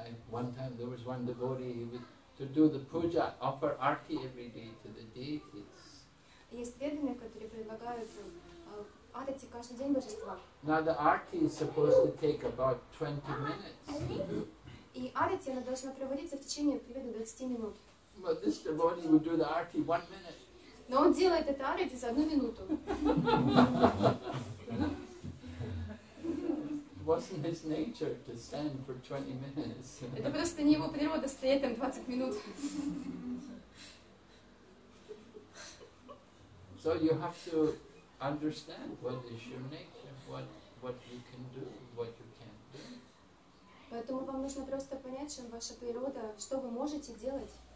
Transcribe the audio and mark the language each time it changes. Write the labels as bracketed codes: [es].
[en] One time there was one devotee, he was to do the puja, offer arti every day to the deities. [ru] Есть преданные, которые предлагают арти каждый день божества. [en] Now the arti is supposed to take about 20 minutes. [ru] И арти она должна проводиться в течение примерно 20 минут. [en] But this devotee would do the arti 1 minute. [ru] Но он делает это арти за 1 минуту. [en] It wasn't his nature to stand for 20 minutes. [ru] Это просто не его природа стоять там 20 минут. [en] So you have to understand what is your nature, what you can do, what you can't do. [ru] Поэтому вам нужно просто понять, чем ваша природа, что вы можете делать.